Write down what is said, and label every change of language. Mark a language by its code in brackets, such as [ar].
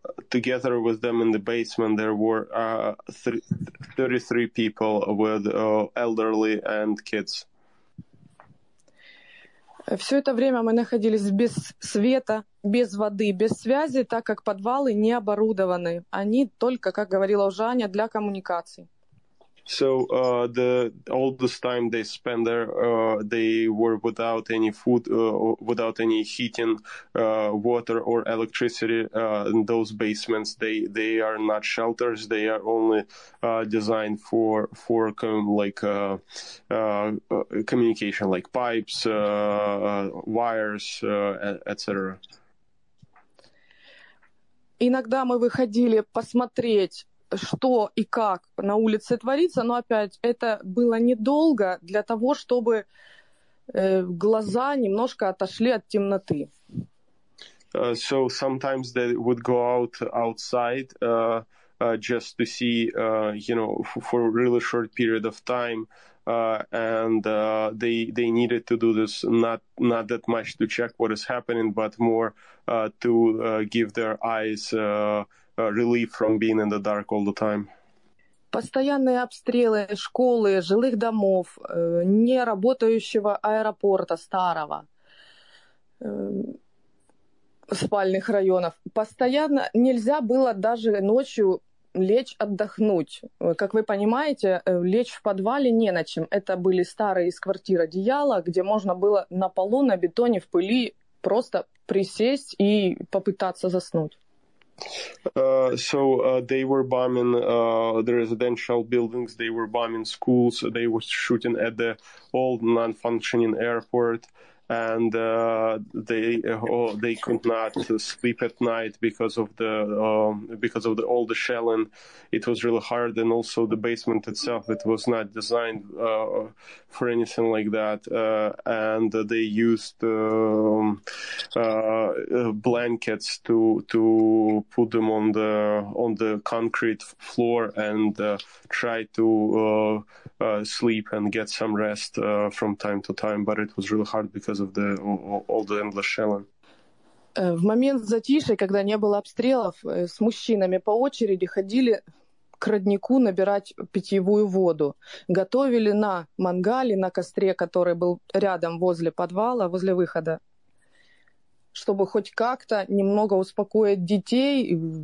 [en] Together with them in the basement there were 33 people with elderly and kids. [ru] Все это время мы находились без света, без воды, без связи, так как подвалы не оборудованы. Они только, как говорила уже Аня, для коммуникаций. [en] So all this time they spent there, they were without any food, without any heating, water or electricity. In those basements, they are not shelters. They are only designed communication, like pipes, wires, etc. [ru] Иногда мы выходили посмотреть, что и как на улице творится, но опять это было недолго для того, чтобы глаза немножко отошли от темноты. [en] So sometimes they would go out outside just to see, you know, for a really short period of time. And they needed to do this not that much to check what is happening, but more to give their eyes relief from being in the dark all the time. [ru] Постоянные обстрелы школы, жилых домов, не работающего аэропорта старого, спальных районов. Постоянно нельзя было даже ночью лечь отдохнуть. Как вы понимаете, лечь в подвале не на чем. Это были старые из квартир одеяла, где можно было на полу, на бетоне, в пыли просто присесть и попытаться заснуть. [en] They were bombing the residential buildings, they were bombing schools, they were shooting at the old non-functioning airport. And they could not sleep at night because of all the shelling. It was really hard, and also the basement itself, it was not designed for anything like that. And they used blankets to put them on the concrete floor and try to sleep and get some rest from time to time. But it was really hard because of all the endless shelling. [ru] В момент затишья, когда не было обстрелов, с мужчинами по очереди ходили к роднику набирать питьевую воду. Готовили на мангале, на костре, который был рядом возле подвала, возле выхода, чтобы хоть как-то немного успокоить детей.